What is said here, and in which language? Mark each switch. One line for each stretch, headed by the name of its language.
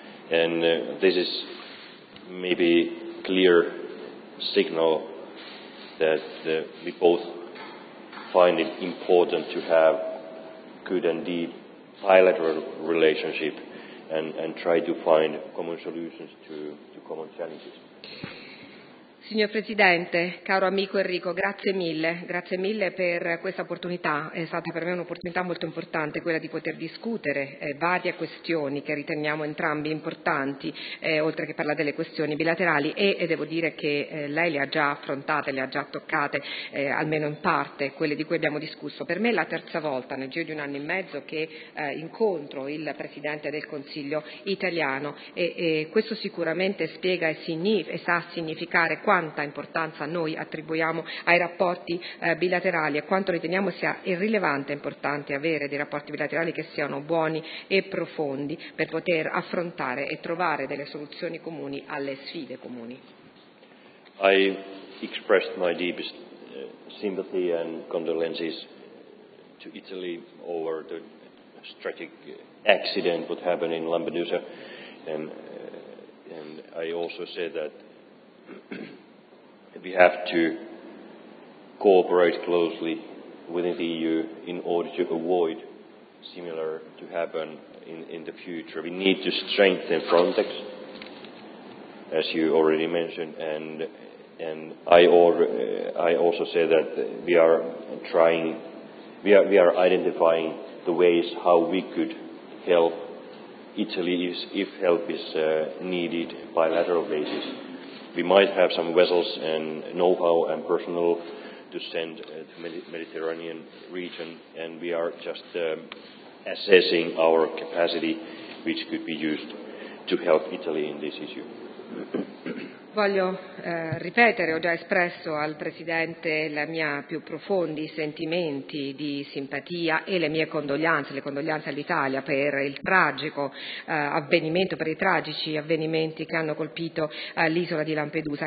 English: And this is maybe a clear signal that we both find it important to have good and deep bilateral relationship and try to find common solutions to common challenges.
Italian: Signor Presidente, caro amico Enrico, grazie mille per questa opportunità. È stata per me un'opportunità molto importante quella di poter discutere varie questioni che riteniamo entrambi importanti, oltre che parlare delle questioni bilaterali, e devo dire che lei le ha già affrontate, le ha già toccate, almeno in parte, quelle di cui abbiamo discusso. Per me è la terza volta nel giro di un anno e mezzo che incontro il Presidente del Consiglio italiano, e questo sicuramente spiega e sa significare quanta importanza noi attribuiamo ai rapporti bilaterali e quanto riteniamo sia irrilevante e importante avere dei rapporti bilaterali che siano buoni e profondi per poter affrontare e trovare delle soluzioni comuni alle sfide comuni.
English: I expressed my deepest sympathy and condolences to Italy over the tragic accident that happened in Lampedusa, and I also said that we have to cooperate closely within the EU in order to avoid similar to happen in the future. We need to strengthen Frontex, as you already mentioned, and I also say that we are identifying the ways how we could help Italy if help is needed bilateral basis. We might have some vessels and know-how and personnel to send to the Mediterranean region, and we are just assessing our capacity, which could be used to help Italy in this issue.
Italian: Voglio ripetere, ho già espresso al Presidente la mia più profondi sentimenti di simpatia e le condoglianze all'Italia per il tragico avvenimento, per i tragici avvenimenti che hanno colpito l'isola di Lampedusa.